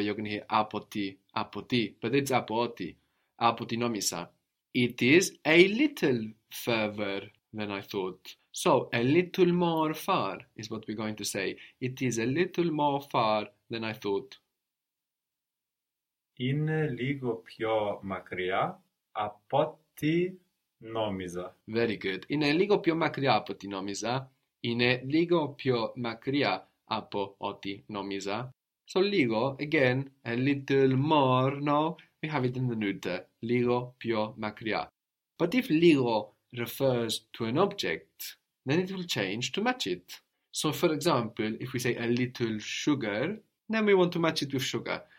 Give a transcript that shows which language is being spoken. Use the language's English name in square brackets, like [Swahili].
[English] You're going to hear apo ti, but it's apo oti, [Greek] apo ti nomisa. [English] It is a little further than I thought. So, a little more far is what we're going to say. It is a little more far than I thought. [Greek] Είναι λίγο πιο μακριά από τι νόμιζα. [English] Very good. [Greek] Είναι λίγο πιο μακριά από τι νόμιζα. Είναι λίγο πιο μακριά από ό,τι νόμιζα. [English] So, λίγο, again, a little more, no? We have it in the neuter. [Greek] Λίγο πιο μακριά. [English] But if λίγο refers to an object, then it will change to match it. So, for example, if we say a little sugar, then we want to match it with sugar.